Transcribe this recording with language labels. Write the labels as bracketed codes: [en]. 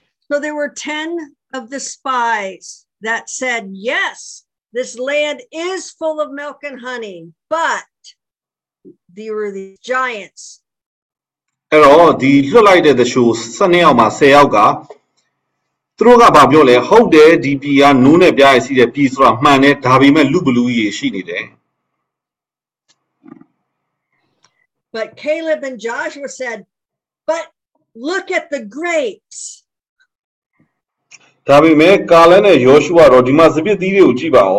[en] So there were 10 of the spies that said, "Yes, this land is full of milk and honey, but there were the giants." [my] အဲ့တော့ဒီလွတ်လိုက်တဲ့သူ12ယောက်မှ10ယောက်ကသူတို့ကဘာပြောလဲဟုတ်တယ်ဒီပြည်ကနိုးနဲ့ပြားရစီတဲ့ပြည်ဆိုတာမှန်တယ်ဒါပေမဲ့လူဘလူကြီးရှိနေတယ် [en] But Caleb and Joshua said but look at the grapes [my] ဒါပေမဲ့ကာလန်နဲ့ယောရှုအတော့ဒီမှာစပြစ်သီးတွေကိုကြည့်ပါဦ